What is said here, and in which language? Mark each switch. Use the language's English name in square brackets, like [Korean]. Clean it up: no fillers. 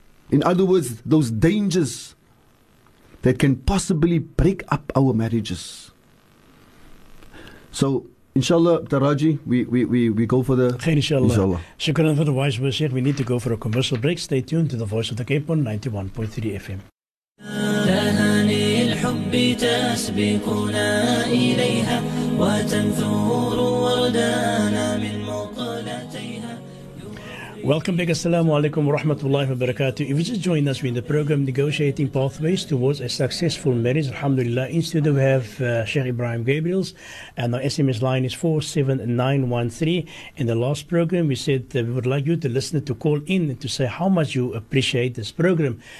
[English] In other words, those dangers that can possibly break up our marriages. So, inshallah, Taraji, we go for the... Khair inshallah. Inshallah. Shukran for the wise words, Sheikh. We need to go for a commercial break. Stay tuned to the Voice of the Cape on 91.3 FM. [Arabic] الحب تسبقنا إليها وتنثور وردانا من مقلتيها. [English] Welcome back. Assalamu alaikum wa rahmatullahi wa barakatuh. If you just join us, we're in the program Negotiating Pathways Towards a Successful Marriage. Alhamdulillah. In studio, we have Sheikh Ebrahim Gabriels. And our SMS line is 47913. In the last program, we said that we would like you to listen to call in and to say how much you appreciate this program.